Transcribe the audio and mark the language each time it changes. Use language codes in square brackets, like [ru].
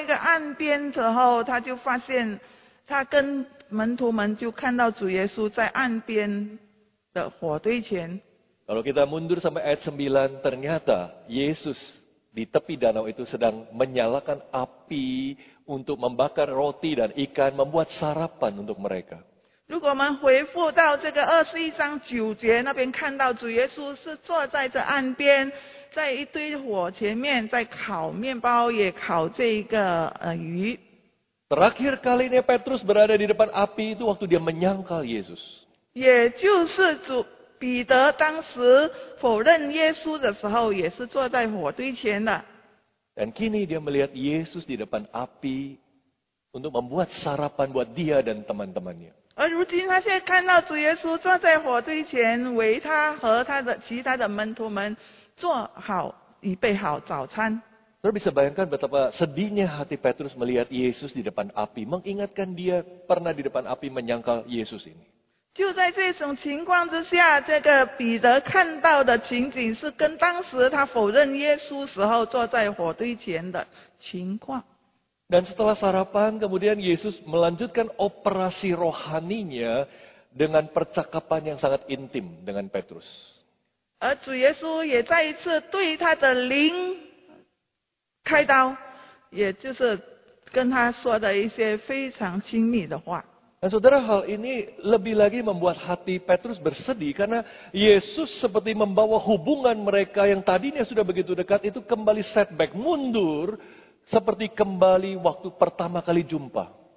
[zh] 在彼得回到那个岸边之后，他就发现他跟 门徒们就看到主耶稣在岸边的火堆前。 [id] Kalau kita mundur sampai ayat 9, ternyata Yesus di tepi danau itu sedang menyalakan api untuk membakar roti dan ikan, membuat sarapan untuk mereka. [zh] 如果我们回复到这个21章9节那边，看到主耶稣是坐在这岸边，在一堆火前面，在烤面包，也烤这个鱼。 [id] Terakhir kalinya Petrus berada di depan api itu waktu dia menyangkal Yesus. [zh] 也就是主彼得当时否认耶稣的时候，也是坐在火堆前的。 [id] Dan kini dia melihat Yesus di depan api untuk membuat sarapan buat dia dan teman-temannya. [zh] 而如今他现在看到主耶稣坐在火堆前，为他和他的其他的门徒们做好预备好早餐。 [id] Saudara bisa bayangkan betapa sedihnya hati Petrus melihat Yesus di depan api, mengingatkan dia pernah di depan api menyangkal Yesus ini. [zh] 就在这种情况之下，这个彼得看到的情景是跟当时他否认耶稣时候坐在火堆前的情况。 [id] Dan setelah sarapan, kemudian Yesus melanjutkan operasi rohaninya dengan percakapan yang sangat intim dengan Petrus. [zh] 而主耶稣也再一次对他的灵开刀，也就是跟他说的一些非常亲密的话。 [id] Dan saudara, hal ini lebih lagi membuat hati Petrus bersedih karena Yesus seperti membawa hubungan mereka yang tadinya sudah begitu dekat itu kembali setback, mundur seperti kembali waktu pertama kali jumpa.